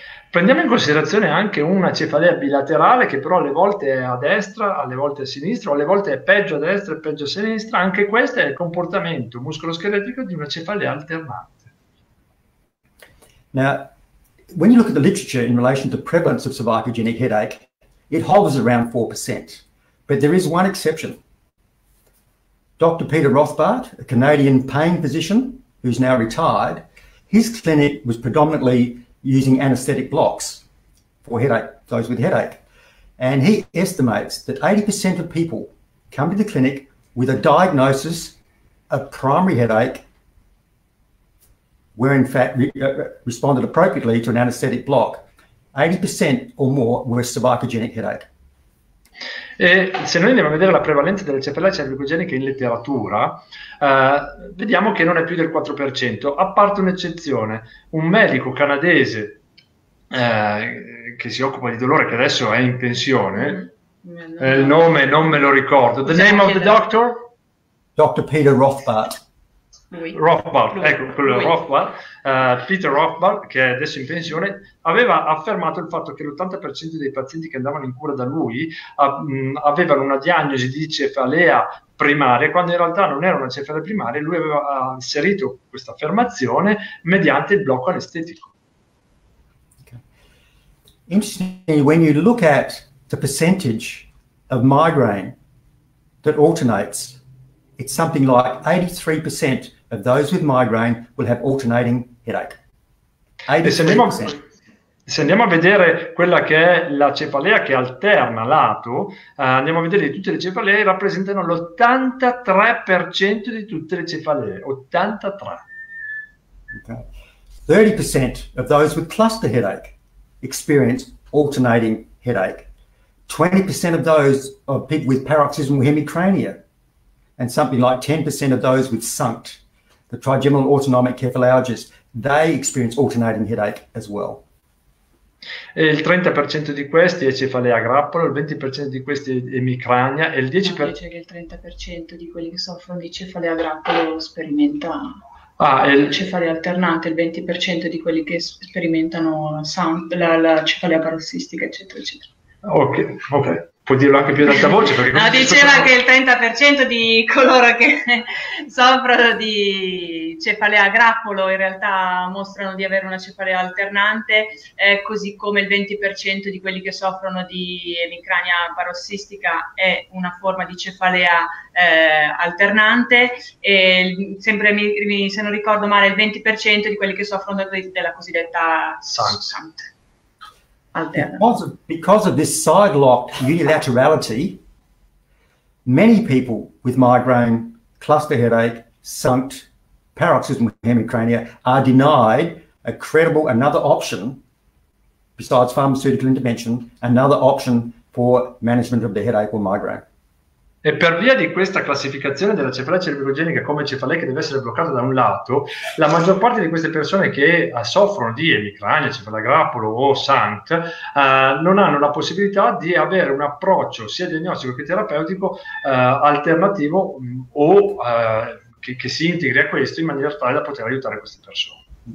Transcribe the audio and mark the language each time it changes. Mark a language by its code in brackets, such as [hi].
[it] Prendiamo in considerazione anche una cefalea bilaterale che però alle volte è a destra, alle volte a sinistra, alle volte è peggio a destra e peggio a sinistra. Anche questo è il comportamento muscoloscheletrico di una cefalea alternante. [en] Now, when you look at the literature in relation to the prevalence of cervicogenic headache, it hovers around 4%, but there is one exception. Dr. Peter Rothbart, a Canadian pain physician who's now retired, his clinic was predominantly using anesthetic blocks for headache, those with headache. And he estimates that 80% of people come to the clinic with a diagnosis of primary headache were in fact responded appropriately to an anesthetic block. 80% or more were cervicogenic headache. [it] E se noi andiamo a vedere la prevalenza delle cefalee cervicogeniche in letteratura, vediamo che non è più del 4%, a parte un'eccezione. Un medico canadese che si occupa di dolore, che adesso è in pensione, il nome non me lo ricordo. [en] The name of the doctor? Dr. Peter Rothbart. [fr] Oui. [it] Rothbart, ecco quello, [fr] oui. [it] Rothbart, Peter Rothbart, che è adesso in pensione, aveva affermato il fatto che l'80% dei pazienti che andavano in cura da lui avevano una diagnosi di cefalea primaria, quando in realtà non era una cefalea primaria. Lui aveva inserito questa affermazione mediante il blocco anestetico. Okay. [en] Interesting, when you look at the percentage of migraine that alternates, it's something like 83% of those with migraine will have alternating headache. 83%. [it] Se andiamo a vedere quella che è la cefalea che alterna lato, andiamo a vedere che tutte le cefalee rappresentano l'83% di tutte le cefalee. 83. Okay. [en] 30% of those with cluster headache experience alternating headache. 20% of those of people with paroxysmal hemicrania. And something like 10% of those with SUNCT, the trigeminal autonomic cephalalgia, they experience alternating headache as well. [it] Il 30% di questi è cefalea a grappolo, il 20% di questi è emicrania e il 10%. Dice che il 30% di quelli che soffrono di cefalea a grappolo sperimentano cefalee alternate, il 20% di quelli che sperimentano la cefalea parossistica, eccetera, eccetera. Ok, ok. Puoi dirlo anche più ad alta voce. Perché no, diceva che il 30% di coloro che soffrono di cefalea a grappolo in realtà mostrano di avere una cefalea alternante, così come il 20% di quelli che soffrono di emicrania parossistica è una forma di cefalea alternante, e sempre se non ricordo male il 20% di quelli che soffrono della cosiddetta SUNCT. [en] Because of this side-locked unilaterality, many people with migraine, cluster headache, SUNCT, paroxysmal hemicrania are denied a credible another option besides pharmaceutical intervention, another option for management of the headache or migraine. [it] E per via di questa classificazione della cefalea cervicogenica come cefalea che deve essere bloccata da un lato, la maggior parte di queste persone che soffrono di emicrania, cefalea grappolo o SUNCT non hanno la possibilità di avere un approccio sia diagnostico che terapeutico alternativo o che si integri a questo in maniera tale da poter aiutare queste persone.